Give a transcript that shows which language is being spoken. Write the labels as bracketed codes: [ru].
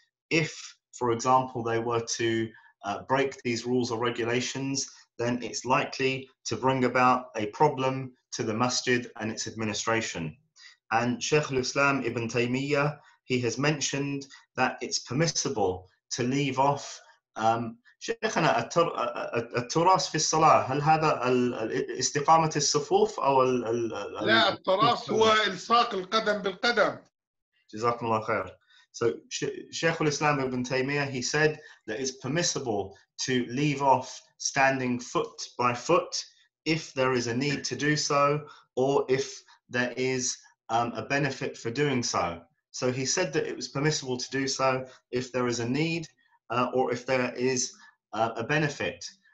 [en] If, for example, they were to break these rules or regulations, then it's likely to bring about a problem to the masjid and its administration. And Shaykh al-Islam Ibn Taymiyyah, he has mentioned that it's permissible to leave off Shaykhana at-turas fi salah [ar] هل هذا الاستقامة الصفوف أو ال لا التراس هو إلصاق القدم بالقدم جزاكم الله خير. [en] So Shaykh al-Islam Ibn Taymiyyah, he said that it's permissible to leave off standing foot by foot if there is a need to do so or if there is a benefit for doing so. So he said that it was permissible to do so if there is a need or if there is a benefit.